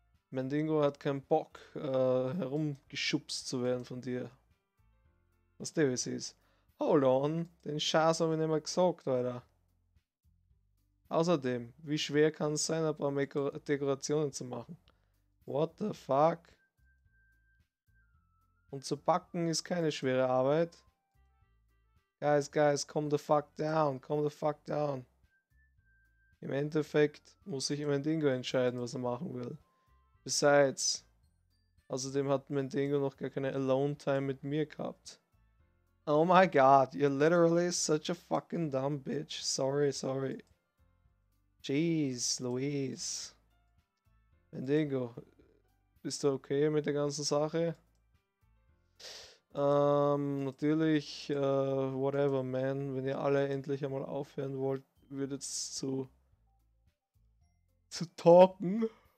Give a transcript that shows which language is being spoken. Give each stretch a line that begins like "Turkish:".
German: Mandingo hat keinen Bock, herumgeschubst zu werden von dir. Was der ist.
English: Hold on,
German: den Scheiß habe ich nicht mehr gesagt, Alter. Außerdem, wie schwer kann es sein, ein paar Dekorationen zu machen?
English: What the fuck?
German: Und zu backen ist keine schwere Arbeit.
English: Guys, guys, calm the fuck down, calm the fuck down.
German: Im Endeffekt muss sich Mandingo entscheiden, was er machen will.
English: Besides,
German: außerdem hat Mandingo noch gar keine Alone Time mit mir gehabt.
English: Oh my god, you're literally such a fucking dumb bitch. Sorry, sorry. Jeez, Louise.
German: Mandingo, bist du okay mit der ganzen Sache? Natürlich,
English: whatever, man.
German: Wenn ihr alle endlich einmal aufhören wollt, würdet's zu talken.